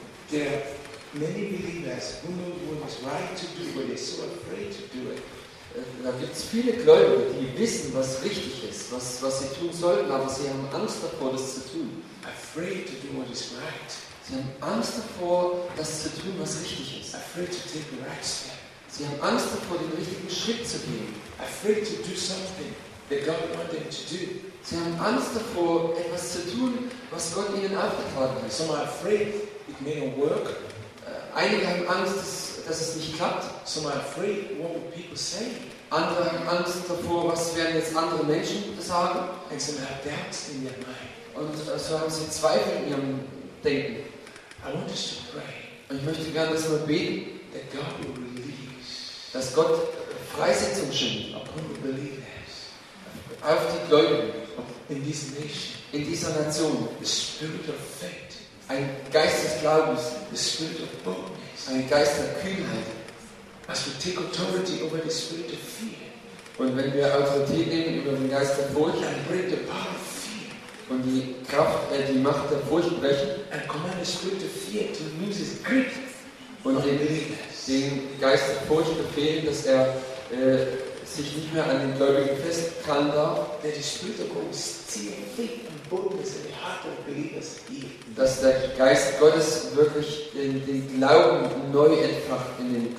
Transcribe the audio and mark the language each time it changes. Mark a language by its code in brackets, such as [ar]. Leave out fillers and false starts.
[en] there are many believers who know what is right to do, but they're so afraid to do it. [de] Da gibt es viele Gläubige, die wissen, was richtig ist, was sie tun sollten, aber sie haben Angst davor, das zu tun. [en] Afraid to do what is right. [de] Sie haben Angst davor, das zu tun, was richtig ist. [en] Afraid to take the right step. [de] Sie haben Angst davor, den richtigen Schritt zu gehen. [en] Afraid to do something that God wants them to do. [de] Sie haben Angst davor, etwas zu tun, was Gott ihnen aufgetragen hat. [en] Some are afraid it may not work. [de] Einige haben Angst, dass es nicht klappt. [en] Some are afraid what will people say. [de] Andere haben Angst davor, was werden jetzt andere Menschen sagen. [en] And some have doubts in their mind. [de] Und so haben sie Zweifel in ihrem Denken. [en] I want us to pray. [de] Und ich möchte gerne, dass wir beten, [en] that God will release. [de] Dass Gott Freisetzung schenkt auf die Gläubigen in dieser Nation. In dieser Nation. [en] The spirit of faith. [de] Ein Geist des Glaubens. [en] The spirit of boldness. [de] Ein Geist der Kühnheit. [en] As we take authority over the spirit of fear. [de] Und wenn wir Autorität nehmen über den Geist der Furcht, [en] and bring the power of fear. [de] Und die Kraft, die Macht der Furcht brechen. [en] And command the spirit of fear to lose his grip. [de] Und den Geist der Furcht befehlen, dass er sich nicht mehr an den Gläubigen festkrallen darf. [en] That the spirit of God is seeing faith and boldness in the heart of believers here. [de] Dass der Geist Gottes wirklich den Glauben neu entfacht in den